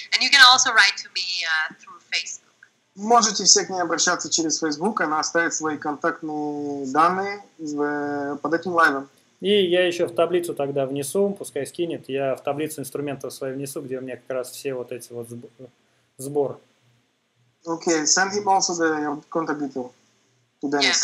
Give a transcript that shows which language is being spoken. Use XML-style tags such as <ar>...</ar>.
<en>And you can also write to me through Facebook.</en> <ru>Можете все к ней обращаться через Facebook, она оставит свои контактные данные под этим лайвом. И я еще в таблицу тогда внесу, пускай скинет, я в таблицу инструментов своих внесу, где у меня как раз все вот эти вот сбор.</ru> <en>Okay, send him also the contact detail to Dennis.</en>